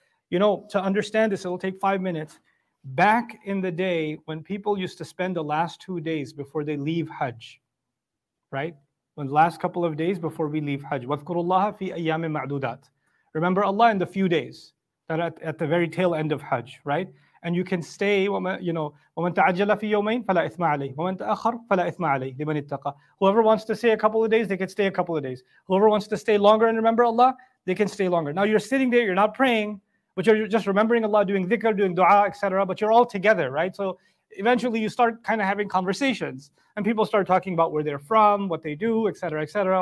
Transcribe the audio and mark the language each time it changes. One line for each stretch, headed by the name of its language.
English: You know, to understand this, it'll take 5 minutes. Back in the day when people used to spend the last 2 days before they leave Hajj, right? When the last couple of days before we leave Hajj,
Arabic: وَذْكُرُوا اللَّهَ فِي أَيَّامٍ مَعْدُودَاتٍ.
English: Remember Allah in the few days that at the very tail end of Hajj, right? And you can stay, you know,
Arabic: وَمَنْ تَعَجَّلَ فِي يَوْمَيْنِ فَلَا إِثْمَ عَلَيْهِ وَمَنْ تَأَخَّرَ فَلَا إِثْمَ عَلَيْهِ لِمَنِ اتَّقَى.
English: Whoever wants to stay a couple of days, they can stay a couple of days. Whoever wants to stay longer and remember Allah, they can stay longer. Now you're sitting there, you're not praying, but you're just remembering Allah, doing dhikr, doing dua, etc. But you're all together, right? So eventually you start kind of having conversations and people start talking about where they're from, what they do, etc., etc.